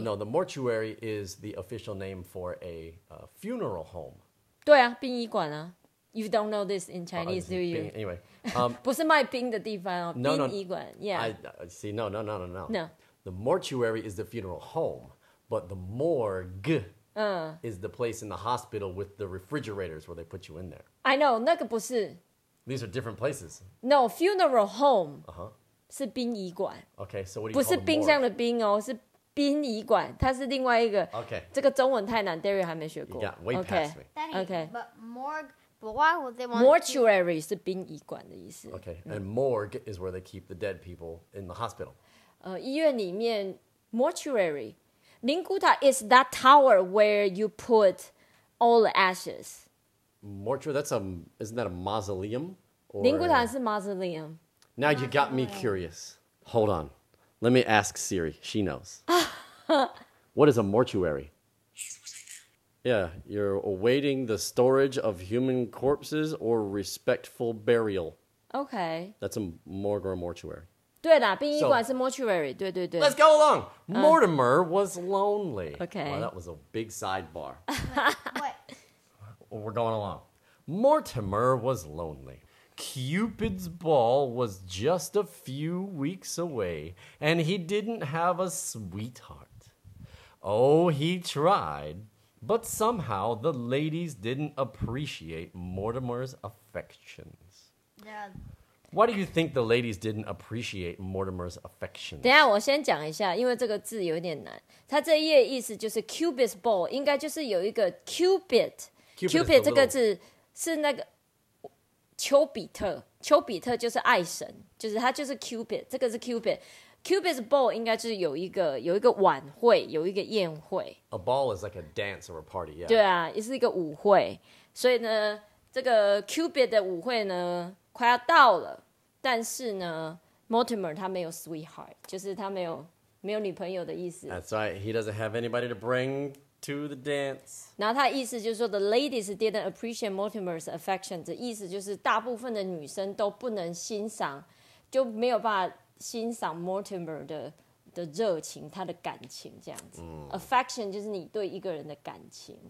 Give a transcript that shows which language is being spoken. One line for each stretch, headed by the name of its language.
English: No, the mortuary is the official name for a funeral home.
Chinese: 对啊殡仪馆啊
English: You don't know this in Chinese, do you? Anyway.
Chinese: 不是卖冰的地方啊殡仪馆
English: Yeah. No. The mortuary is the funeral home, but the morgue is the place in the hospital with the refrigerators where they put you in there. I know,
Chinese: 那个不是。
English: These are different places. No, funeral home
Chinese: 是殡仪馆。
English: Okay, so what do you call the morgue?
Chinese: 不是冰箱的冰哦，是殡仪馆，它是另外一个。
English: Okay.
Chinese: 这个中文太难 ，Derry 还没学过。
English: Yeah, way past me. Daddy, okay. But morgue... But why would they want
Chinese: mortuary 是殡仪馆的意思。
English: Okay, and morgue is where they keep the dead people in the hospital.
Chinese: 医院里面
English: mortuary, 灵骨塔 is that tower where you put all the ashes. Mortuary, that's isn't that a mausoleum?
Chinese: 灵骨塔是 mausoleum.
English: Now you got me curious. Hold on, let me ask Siri. She knows. What is a mortuary? Yeah, you're awaiting the storage of human corpses or respectful burial. Okay. That's a morgue or a mortuary.
Chinese: 对啦，殡仪馆是 mortuary, 对对对。
English: Let's go along! Mortimer was lonely. Okay. Wow, that was a big sidebar. What? We're going along. Mortimer was lonely. Cupid's ball was just a few weeks away, and he didn't have a sweetheart. Oh, he tried, but somehow the ladies didn't appreciate Mortimer's affections. Yeah. Why do you think the ladies didn't appreciate Mortimer's affection?
Chinese: 等一下，我先讲一下，因为这个字有点难。它这一页意思就是 Cupid's ball， 应该就是有一个 Cupid。
English: Cupid
Chinese: 这个字是那个丘比特，丘比特就是爱神，就是他就是 Cupid， 这个是 Cupid。 Cupid's ball 应该就是有一个晚会，有一个宴会。
English: A ball is like a dance or a party, yeah.
Chinese: 对啊，也是一个舞会。所以呢，这个 Cupid 的舞会呢。快要到了，但是呢 ，Mortimer 他没有 sweetheart， 就是他没有女朋友的意思。
English: That's right. He doesn't have anybody to bring to the dance.
Chinese: 然后他的意思就是说
English: ，the ladies didn't appreciate Mortimer's affection.
Chinese: 的意思就是大部分的女生都不能欣赏，就没有办法欣赏 Mortimer 的热情，他的感情这样子。 Mm. Affection 就是你对一个人的感情。